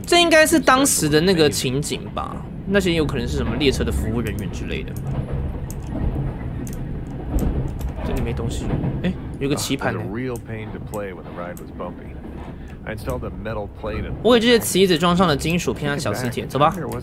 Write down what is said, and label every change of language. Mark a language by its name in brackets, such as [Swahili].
[Chinese] 这应该是当时的那个情景吧？那些有可能是什么列车的服务人员之类的。这里没东西，哎，有个棋盘。 [English] A real pain to play when the ride was bumpy. I installed a metal plate. [Chinese] 我给这些棋子装上了金属偏安小磁铁，走吧。